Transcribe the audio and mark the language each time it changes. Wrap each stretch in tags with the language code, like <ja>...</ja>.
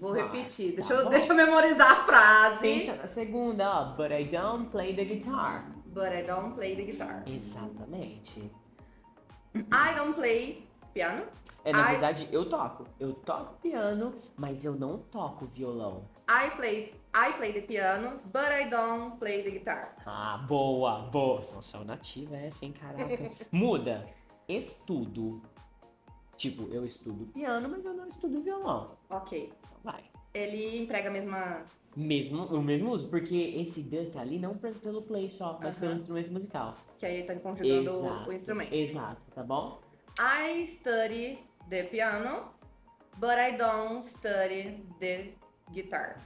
<pt>Vou repetir. Deixa eu memorizar a frase. Pensa na segunda, ó.</pt> <en>But I don't play the guitar. But I don't play the guitar.</en> <pt>Exatamente.</pt> <en>I don't play piano.</en> <pt>É, na verdade, eu toco. Eu toco piano, mas eu não toco violão.</pt> <en>I play the piano, but I don't play the guitar.</en> <pt>Ah, boa, boa. São só nativa essa, hein, caraca. Muda. Estudo. Tipo, eu estudo piano, mas eu não estudo violão. Ok. Então vai. Ele emprega a mesma... O mesmo uso, porque esse dan tá ali não pelo play só, mas pelo instrumento musical. Que aí tá conjugando o instrumento. Exato, tá bom?</pt> <en>I study the piano, but I don't study the guitar.</en>